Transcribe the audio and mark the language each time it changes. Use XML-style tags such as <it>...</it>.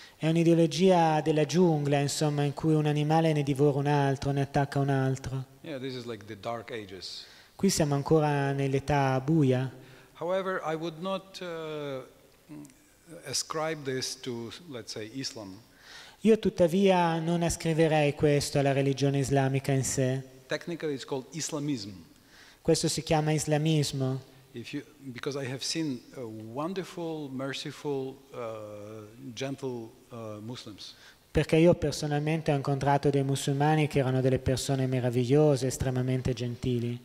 <it>È un'ideologia della giungla, insomma, in cui un animale ne divora un altro, ne attacca un altro.</it> <en>Yeah, this is like the dark ages.</en> <it>Qui siamo ancora nell'età buia.</it> <en>However, I would not ascribe this to, let's say, Islam.</en> <it>Io tuttavia non ascriverei questo alla religione islamica in sé.</it> <en>Technically it's called Islamism.</en> <it>Questo si chiama islamismo.</it> <en>Because I have seen wonderful, merciful, gentle Muslims.</en> <it>Perché io personalmente ho incontrato dei musulmani che erano delle persone meravigliose, estremamente gentili.</it>